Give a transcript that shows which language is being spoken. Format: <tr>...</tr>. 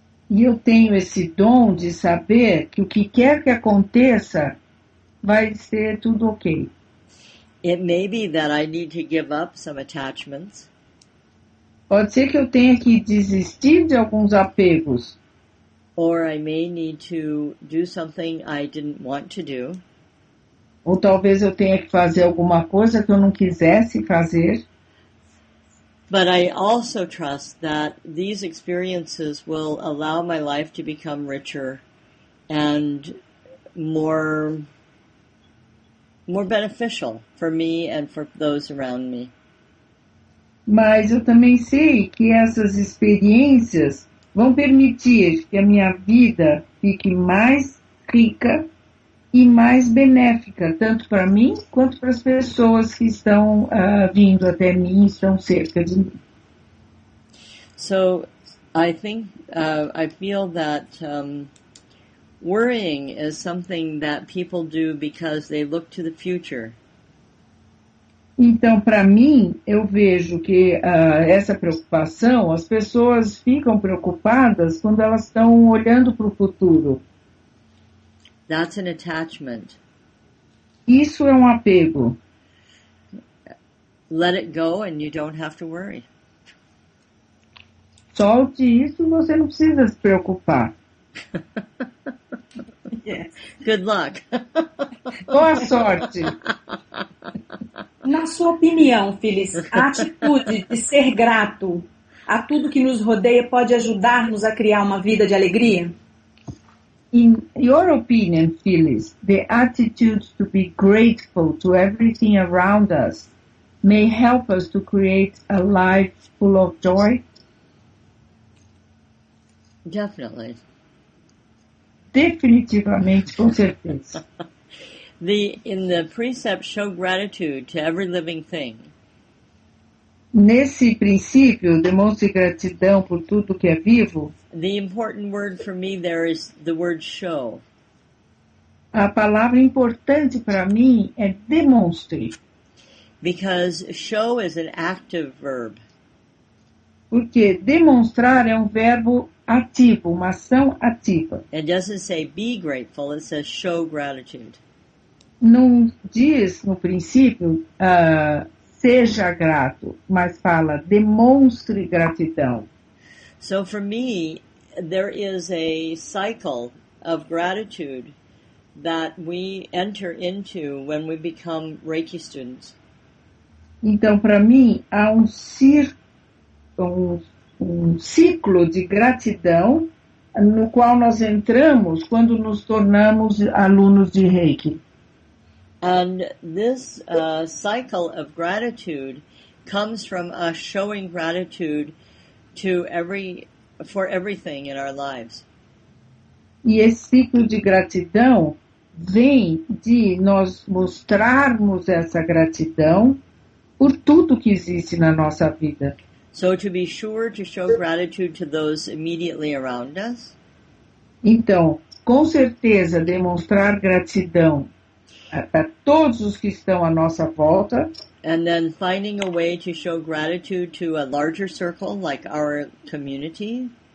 <pt>E eu tenho esse dom de saber que o que quer que aconteça, vai ser tudo ok.</pt> <en>It may be that I need to give up some attachments.</en> <pt>Pode ser que eu tenha que desistir de alguns apegos.</pt> <en>Or I may need to do something I didn't want to do.</en> <pt>Ou talvez eu tenha que fazer alguma coisa que eu não quisesse fazer.</pt> <en>But I also trust that these experiences will allow my life to become richer and more beneficial for me and for those around me.</en> <pt>Mas eu também sei que essas experiências vão permitir que a minha vida fique mais rica e mais benéfica, tanto para mim quanto para as pessoas que estão vindo até mim e estão cerca de mim.</pt> <en>So, I think, I feel that worrying is something that people do because they look to the future.</en> <pt>Então, para mim, eu vejo que essa preocupação, as pessoas ficam preocupadas quando elas estão olhando para o futuro.</pt> <en>That's an attachment.</en> <pt>Isso é um apego.</pt> <en>Let it go and you don't have to worry.</en> <pt>Solte isso e você não precisa se preocupar.</pt> <en>Yes. Good luck.</en> <pt>Boa sorte. Na sua opinião, Phyllis, a atitude de ser grato a tudo que nos rodeia pode ajudar-nos a criar uma vida de alegria?</pt> <en>In your opinion, Phyllis, the attitude to be grateful to everything around us may help us to create a life full of joy? Definitely.</en> <pt>Definitivamente, com certeza.</pt> <en>In the precept, show gratitude to every living thing.</en> <pt>Nesse princípio, demonstre gratidão por tudo que é vivo.</pt> <en>The important word for me there is the word show.</en> <pt>A palavra importante para mim é demonstre.</pt> <en>Because show is an active verb.</en> <pt>Porque demonstrar é verbo ativo, uma ação ativa.</pt> <en>It doesn't say be grateful, it says show gratitude.</en> <pt>Não diz, no princípio, seja grato, mas fala, demonstre gratidão.</pt> <en>So for me, there is a cycle of gratitude that we enter into when we become Reiki students.</en> <pt>Então, para mim, há um ciclo de gratidão no qual nós entramos quando nos tornamos alunos de Reiki.</pt> <en>And this cycle of gratitude comes from us showing gratitude to for everything in our lives.</en> <pt>E esse ciclo de gratidão vem de nós mostrarmos essa gratidão por tudo que existe na nossa vida.</pt> <en>So to be sure to show gratitude to those immediately around us.</en> <pt>Então, com certeza, demonstrar gratidão a todos os que estão à nossa volta.</pt> <en>And then finding a way to show gratitude to a larger circle, like our community.</en>